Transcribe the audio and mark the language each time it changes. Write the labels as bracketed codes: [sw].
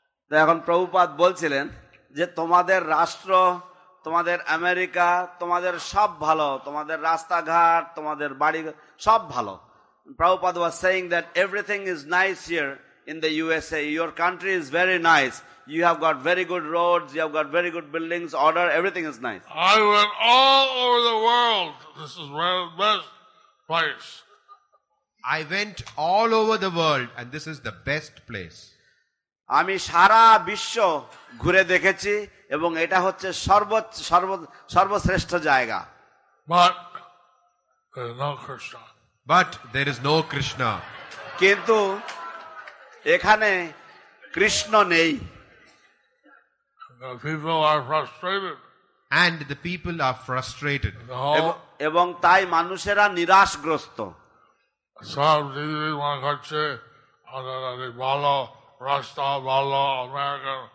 [bn] এখন প্রভুপাদ বলছিলেন যে তোমাদের রাষ্ট্র তোমাদের আমেরিকা তোমাদের সব ভালো, তোমাদের রাস্তাঘাট তোমাদের বাড়ি সব ভালো. [en] Prabhupada was saying that everything is nice here in the USA. Your country is very nice. You have got very good roads, you have got very good buildings, order, everything is nice. I went all over the world. This is the best place. I went all over the world and this is the best place. [bn] আমি সারা বিশ্ব ঘুরে দেখেছি এবং এটা হচ্ছে সর্বশ্রেষ্ঠ জায়গা. [en] But there is no Krishna. But there is no Krishna. [bn] কিন্তু এখানে কৃষ্ণ নেই. [en] The people are frustrated. And the people are frustrated. [bn] এবং তাই মানুষেরা নিরাশগ্রস্ত. সব দিদি মনে করছে ভালো রাস্তা ভালো আমেরিকা.